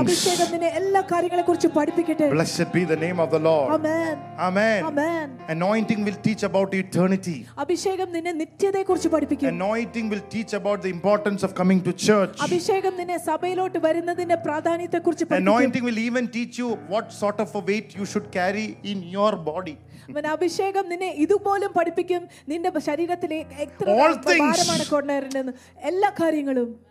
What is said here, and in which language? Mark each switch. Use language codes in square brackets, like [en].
[ml] അഭിഷേകം നിന്നെ എല്ലാ കാര്യങ്ങളെക്കുറിച്ചും പഠിപ്പിക്കട്ടെ. [en] Blessed be the name of the Lord. Amen. Amen. Amen. Anointing will teach about eternity. [ml] അഭിഷേകം നിന്നെ നിത്യതയെക്കുറിച്ച് പഠിപ്പിക്കും. [en] Anointing will teach about the importance of coming to church. [ml] അഭിഷേകം നിന്നെ സഭയിലോട്ട് വരുന്നതിന്റെ പ്രാധാന്യത്തെ കുറിച്ച് പഠിപ്പിക്കും. [en] Anointing will even teach you what sort of a weight you should carry in your body. [ml] When അഭിഷേകം നിന്നെ ഇതുപോലും പഠിപ്പിക്കും, നിന്റെ ശരീരത്തിലെ എത്ര ഭാരമാണ് കൊണ്ടുവരുന്നത് എല്ലാ കാര്യങ്ങളും.